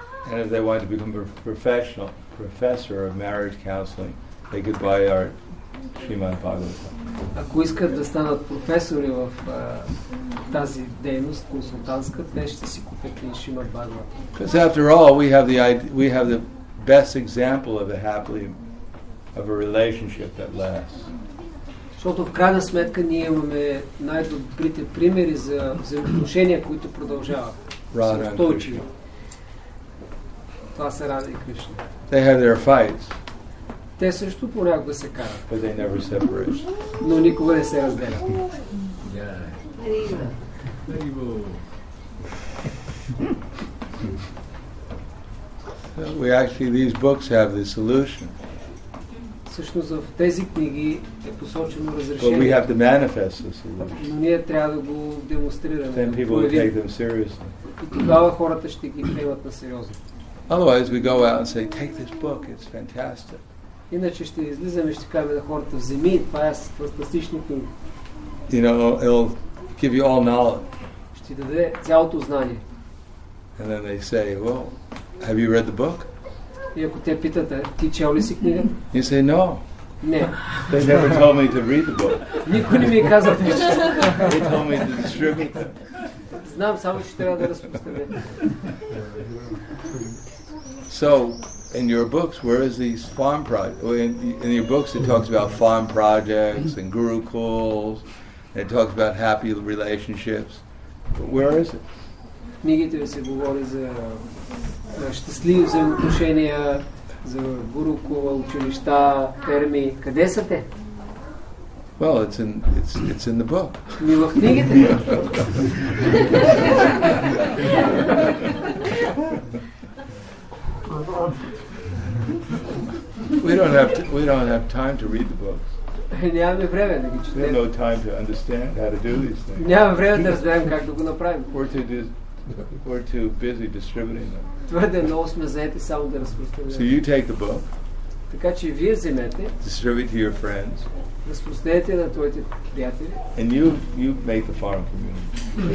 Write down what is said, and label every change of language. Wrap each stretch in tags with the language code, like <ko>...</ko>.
<en>And if they want to become a professional professor of marriage counseling, they could buy our Srimad Bhagavatam.</en> <bg>Ако искат да станат професори в тази дейност консултантска, те ще си купят и Шримад Бхагаватам.</bg> <en>Because after all, we have the best example of a relationship that lasts.</en> <bg>Защото в крайна сметка ние имаме най-добрите примери за взаимоотношения, които продължават.</bg> <en>Radha and Krishna.</en> <bg>Това са Рада и Кришна.</bg> <en>They have their fights.</en> <bg>Те също понякога се карат.</bg> <en>But they never separate.</en> <bg>Но никога не се разделят.</bg> <en>Yeah. We actually these books have the solution.</en> <bg>Всъщност в тези книги е посочено разрешението.</bg> <en>But we have to manifest the solution.</en> <bg>Но ние трябва да го демонстрираме.</bg> <en>Then people will take them seriously.</en> <bg>И тогава хората ще ги приемат на сериозно.</bg> <en>Otherwise, we go out and say, "Take this book; it's fantastic."</en> <bg>Иначе ще излизаме, ще кажем на хората, вземи, това е фантастична книга.</bg> <en>You know, it'll give you all knowledge.</en> <bg>Ще даде цялото знание.</bg> <en>And then they say, "Well, have you read the book?"</en> <bg>И ако те питат, ти чел ли си книгата?</bg> <en>You say, "No."</en> <bg>Не.</bg> <en>They never told me to read the book.</en> <bg>Никой не ми каза това.</bg> <en>They told me to distribute it.</en> <bg>Знам, само че трябва да разпространя.</bg> <en>So, in your books, where is these farm projects? In your books, it talks about farm projects and gurukuls, and it talks about happy relationships. But where is it?</en> <bg>Книгите ви се говори за щастливи взаимоотношения, за гурукул, училища, ферми. Къде са те?</bg> <en>Well, it's in the book.</en> <bg>Ми в книгите.</bg> <en>We don't have time to read the books. We have no time to understand how to do these things.</en> <bg>Нямаме време да разберем как да го направим.</bg> <en>We're too busy distributing them.</en> <bg>Твърде много сме заети само да разпространяваме.</bg> <en>So you take the book.</en> <bg>Така че вие вземете.</bg> <en>Distribute to your friends.</en> <bg>Разпространете на твоите приятели.</bg> <en>And you make the farm community.</en>